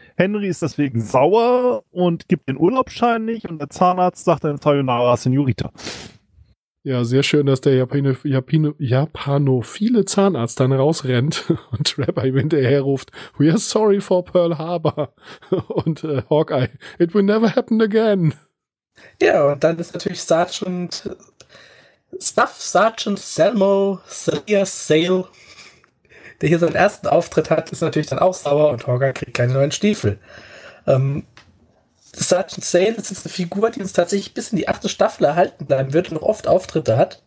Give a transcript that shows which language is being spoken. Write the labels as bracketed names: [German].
[German] Henry ist deswegen sauer und gibt den Urlaubschein nicht. Und der Zahnarzt sagt dann, sayonara, Senorita. Ja, sehr schön, dass der japanophile Zahnarzt dann rausrennt und Trapper ihm hinterher ruft, [English] we are sorry for Pearl Harbor. Und Hawkeye, it will never happen again. [German] Ja, und dann ist natürlich Staff Sergeant Selmo Salia Sale, der hier seinen ersten Auftritt hat, ist natürlich dann auch sauer und Hawkeye kriegt keine neuen Stiefel. Sergeant Sale ist jetzt eine Figur, die uns tatsächlich bis in die 8. Staffel erhalten bleiben wird und noch oft Auftritte hat.